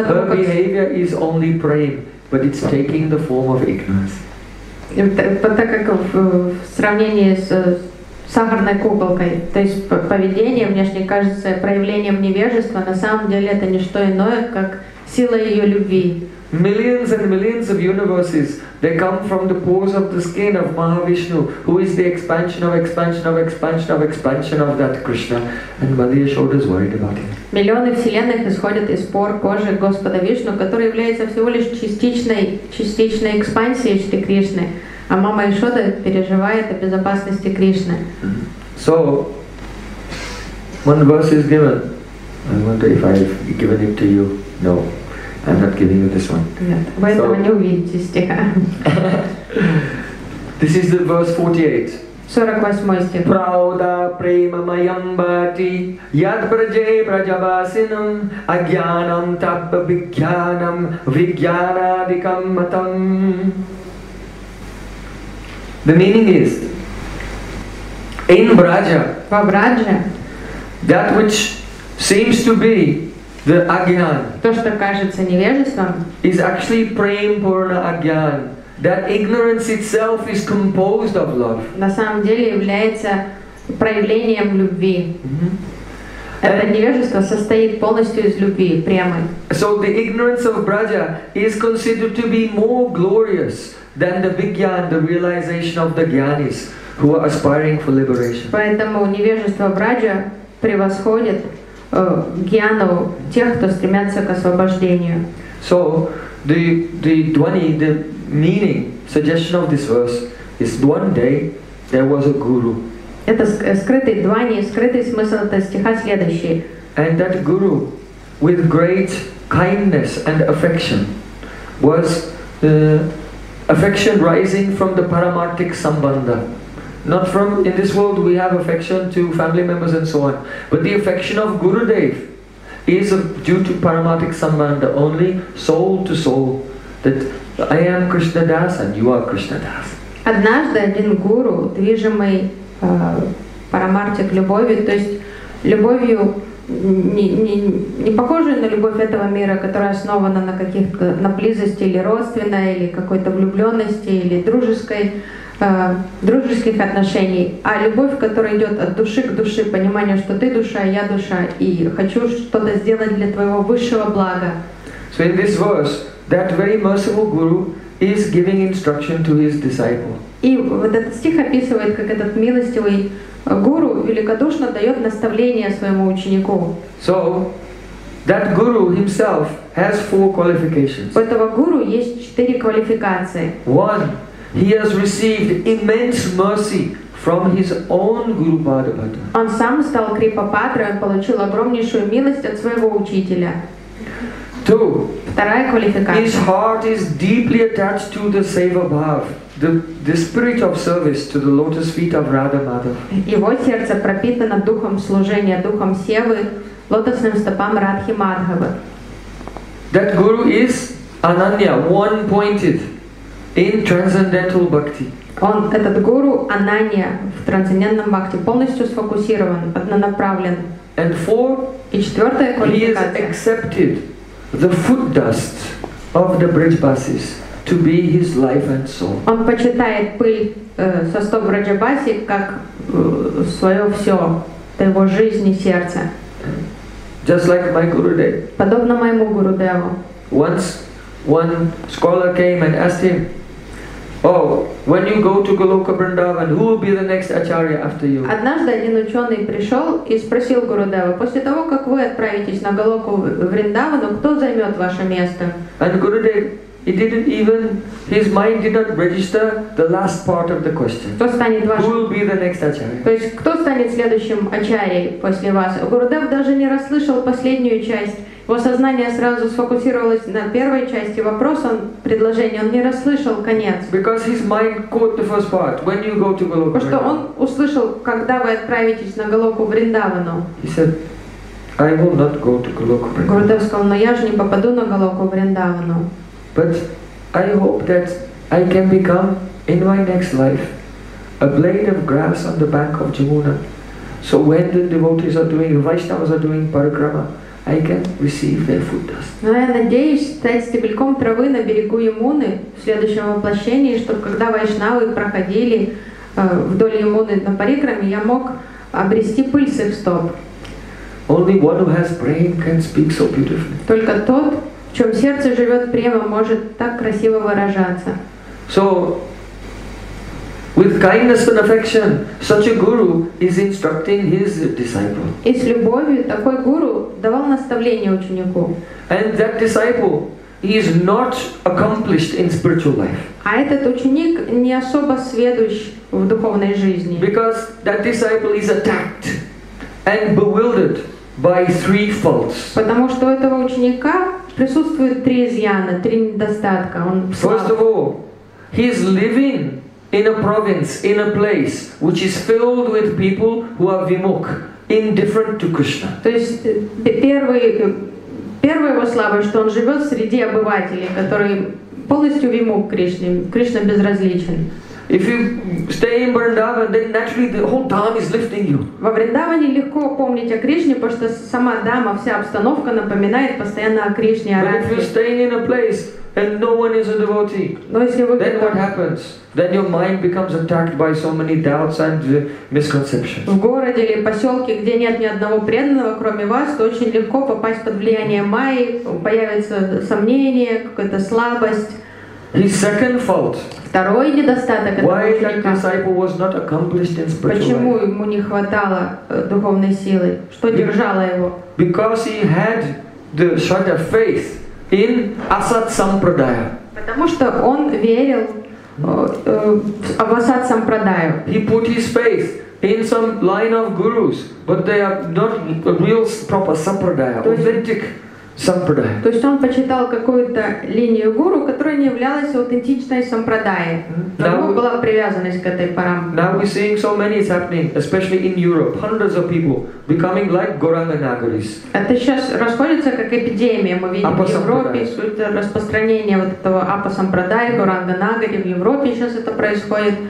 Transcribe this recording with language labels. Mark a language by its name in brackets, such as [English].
[English] her behavior is only praying, but it's taking the form of ignorance. [Russian] Так как в сравнении с сахарной куколкой, то есть поведение внешне кажется проявлением невежества, на самом деле это не что иное, как сила её любви. [English] Millions and millions of universes, they come from the pores of the skin of Mahavishnu, who is the expansion of expansion of expansion of expansion of that Krishna. And Maliya Shoda is worried about him. [Russian] Миллионы вселенных исходят из пор кожи Господа Вишну, который является всего лишь частичной экспансией Шри Кришны. А мама Ишода переживает о безопасности Кришны. [English] So, one verse is given. I wonder if I've given it to you. No, I'm not giving you this one. [Russian] Нет, вы этого не увидите стиха. [English] This is the verse 48. [Russian] 48 стих. [Sanskrit] Правда према маямбати яд браже бражавасинам агьянам таб вигьянам вигьянадикам матам. [English] The meaning is, in Braja, that which seems to be the Agyan, [Russian] то, что кажется невежеством, [English] is actually Prempurna Agyan. That ignorance itself is composed of love. [Russian] На самом деле является проявлением любви. Это невежество состоит полностью из любви, премы. [English] So the ignorance of Braja is considered to be more glorious than the vigyan, the realization of the gyanis who are aspiring for liberation. [Russian] Поэтому невежество Браджа превосходит гьяну тех, кто стремятся к освобождению. [English] So the dwani, the meaning, suggestion of this verse is one day there was a guru. [Russian] Это скрытый дуани, скрытый смысл этого стиха следующий. [English] And that guru, with great kindness and affection, was affection rising from the paramarthic sambandha. Not from, in this world we have affection to family members and so on. But the affection of Gurudev is due to paramarthic sambandha, only soul to soul. That I am Krishna Das and you are Krishna Das. [Russian] Однажды один гуру, движимый парамартик любовью, то есть любовью, не похожую на любовь этого мира, которая основана на каких-то, на близости или родственной, или какой-то влюбленности, или дружеских отношений, а любовь, которая идет от души к душе, понимание, что ты душа, я душа, и хочу что-то сделать для твоего высшего блага. [English] So in this verse, that very merciful guru is giving instruction to his disciple. [Russian] И вот этот стих описывает, как этот милостивый гуру великодушно дает наставление своему ученику. [English] So, that guru himself has four qualifications. [Russian] У этого гуру есть четыре квалификации. [English] One, he has received immense mercy from his own guru Bhadabhata. [Russian] Он сам стал крипа-патрой, он получил огромнейшую милость от своего учителя. [English] Two, [Russian] вторая квалификация. [English] His heart is deeply attached to the seva bhav. The spirit of service to the lotus feet of Radha Madhav. [Russian] Его сердце пропитано духом служения, духом севы, лотосным стопам Радхи Мадхавы. [English] That guru is ananya, one-pointed in transcendental bhakti. [Russian] Он, этот гуру ананья в трансцендентном бхакти, полностью сфокусирован, однонаправлен. [English] And four, [Russian] и четвертая квалификация. [English] He has accepted the foot dust of the Brajbasis to be his life and soul. [Russian] Он почитает пыль со стоп Враджабаси как свое все, его жизнь и сердце. [English] Just like my Gurudev. [Russian] Подобно моему Гурудеву. [English] Once one scholar came and asked him, oh, when you go to Goloka Vrindavan, who will be the next Acharya after you? [Russian] Однажды один ученый пришел и спросил Гурудева, после того, как вы отправитесь на Голоку Вриндавану, кто займет ваше место? [English] And Gurudev, he didn't even, his mind did not register the last part of the question. [Russian] Кто станет вашим? [English] Who will be the next Acharya? [Russian] То есть, кто станет следующим Ачарьей после вас? Гурудев даже не расслышал последнюю часть. Его сознание сразу сфокусировалось на первой части вопроса, предложения. Он не расслышал конец. [English] Because his mind caught the first part. When you go to Голоку Вриндавану? [Russian] Потому что он услышал, когда вы отправитесь на Голоку Вриндавану. [English] He said, I will not go to Голоку Вриндавану. [Russian] Гурудев сказал, но я же не попаду на Голоку Вриндавану. [English] But I hope that I can become, in my next life, a blade of grass on the bank of Jamuna. So when the devotees are doing, Vaishnavas are doing parikrama, I can receive their foot dust. [Russian] Но я надеюсь стать стебельком травы на берегу Ямуны в следующем воплощении, чтобы когда вайшнавы проходили вдоль Ямуны на парикраме, я мог обрести пыль с их стоп. [English] Only one who has brain can speak so beautifully. [Russian] Только тот, В чем сердце живет према, может так красиво выражаться. [English] So, with kindness and affection, such a guru is instructing his disciple. [Russian] И с любовью такой гуру давал наставление ученику. [English] And that disciple, he is not accomplished in spiritual life. [Russian] А этот ученик не особо сведущ в духовной жизни. [English] Because that disciple is attacked and bewildered by three faults. [Russian] Потому что у этого ученика присутствуют три изъяна, три недостатка. Он слаб. [English] First of all, he is living in a province, in a place which is filled with people who are vimuk, indifferent to Krishna. [Russian] То есть первое его слабое, что он живет среди обывателей, которые полностью вимук Кришне, Кришна безразличен. [English] If you stay in Vrindavan, then naturally the whole dham is lifting you. [Russian] Во Вриндаване легко помнить о Кришне, потому что сама дама, вся обстановка напоминает постоянно о Кришне, о [English] Радхе. But if you're staying in a place and no one is a devotee, then what happens? Then your mind becomes attacked by so many doubts and misconceptions. [Russian] В городе или поселке, где нет ни одного преданного, кроме вас, то очень легко попасть под влияние майи, появится сомнение, какая-то слабость. [English] His second fault. [Russian] Второй недостаток этого [English] Why [Russian] ученика. [English] That disciple was not accomplished in spiritual life? [Russian] Почему ему не хватало духовной силы? Что держало его? [English] Because he had the shadow faith in asat sampradaya. [Russian] Потому что он верил в асат сампрадаю. [English] He put his faith in some line of gurus, but they are not real proper sampradaya, authentic. [Russian] То есть он почитал какую-то линию гуру, которая не являлась аутентичной сампрадайей. Но у него была привязанность к этой парам. [English] Now we're seeing so many is happening, especially in Europe. Hundreds of people becoming like Gauranga Nagaris. [Russian] Это сейчас расходится как эпидемия. Мы видим в Европе распространение вот этого апа-сампрадайи, Гауранга Нагари. В Европе сейчас это происходит.